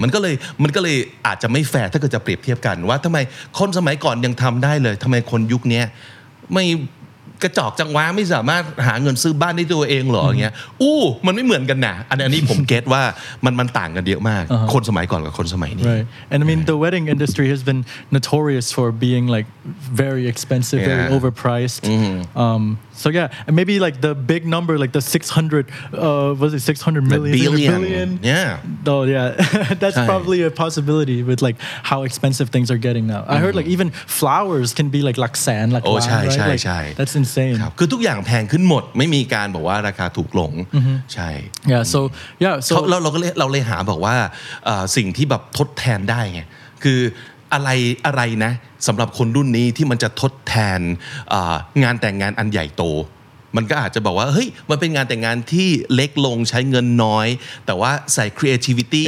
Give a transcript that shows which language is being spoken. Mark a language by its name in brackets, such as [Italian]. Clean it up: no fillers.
[Thai] มันก็เลยอาจจะไม่แฟร์ถ้าเกิดจะเปรียบเทียบกันว่าทำไมคนสมัยก่อนยังทำได้เลยทำไมคนยุคนี้ไม่กระจอกจังวะไม่สามารถหาเงินซื้อบ้านได้ตัวเองหรออย่างเงี้ยอู้มันไม่เหมือนกันนะอันนี้ ผมเก็ทว่ามันต่างกันเยอะมาก คนสมัยก่อนกับคนสมัยนี้ [English] right and I mean the wedding industry has been notorious for being like very expensive very overpriced So yeah, and maybe like the big number, like the 600, was it 600 million? The billion. Yeah. Oh yeah, that's probably a possibility with like how expensive things are getting now. I heard like even flowers can be like laksan, like oh, right? Oh, like, yeah, that's insane. [Thai] คือทุกอย่างแพงขึ้นหมดไม่มีการบอกว่าราคาถูกลงใช่ [English] Yeah, so yeah, so [Thai] เราเลยหาบอกว่าสิ่งที่แบบทดแทนได้ไงคืออะไรอะไรนะสำหรับคนรุ่นนี้ที่มันจะทดแทนงานแต่งงานอันใหญ่โตมันก็อาจจะบอกว่าเฮ้ยมันเป็นงานแต่งงานที่เล็กลงใช้เงินน้อยแต่ว่าใส่ creativity